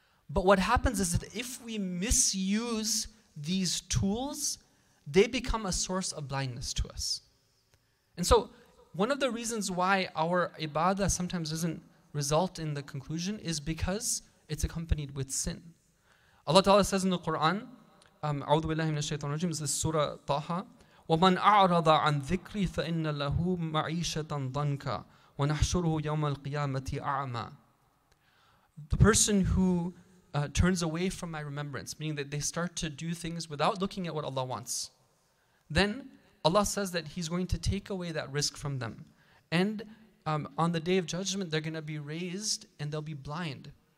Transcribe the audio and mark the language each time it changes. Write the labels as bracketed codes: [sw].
[en] But what happens is that if we misuse these tools, they become a source of blindness to us. And so one of the reasons why our ibadah sometimes doesn't result in the conclusion is because it's accompanied with sin. Allah Ta'ala says in the Quran, [ar] أعوذ بالله من الشيطان الرجيم, [en] this is Surah Taha, [ar] وَمَنْ أَعْرَضَ عَنْ ذِكْرِ فَإِنَّ لَهُ مَعِيشَةً ضَنْكَ وَنَحْشُرُهُ يَوْمَ الْقِيَامَةِ أَعْمَى. [en] The person who turns away from my remembrance, meaning that they start to do things without looking at what Allah wants, then Allah says that He's going to take away that risk from them. And on the Day of Judgment, they're going to be raised and they'll be blind.